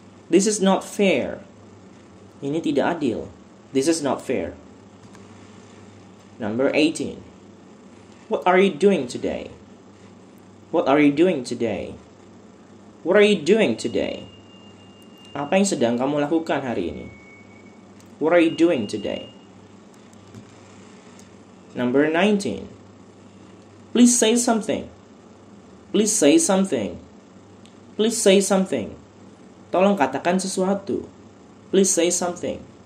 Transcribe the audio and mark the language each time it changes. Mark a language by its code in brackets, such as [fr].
[en] This is not fair. [id] Ini tidak adil. [en] This is not fair. Number 18. What are you doing today? What are you doing today? What are you doing today? [id] Apa yang sedang kamu lakukan hari ini? [en] What are you doing today? Number 19. Please say something. Please say something. Please say something. [id] Tolong katakan sesuatu. [en] Please say something.